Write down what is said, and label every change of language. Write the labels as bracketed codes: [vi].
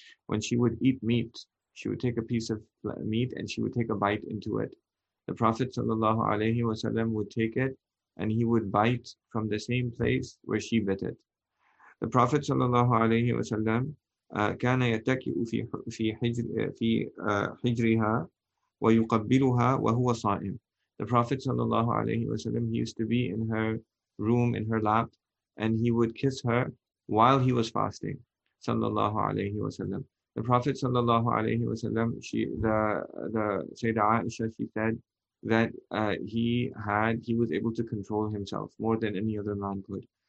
[en] When she would eat meat, she would take a piece of meat and she would take a bite into it. The Prophet sallallahu alayhi wa sallam would take it, and he would bite from the same place where she bit it. [ar] The Prophet sallallahu alayhi wa sallam, كان يتكئ في حجرها ويقبلها وهو صائم. [en] The Prophet sallallahu alayhi wa sallam, he used to be in her room, in her lap, and he would kiss her while he was fasting, sallallahu alayhi wa sallam. The Prophet sallallahu alayhi wa sallam, the Sayyidah Aisha, she said that he was able to control himself more than any other man could.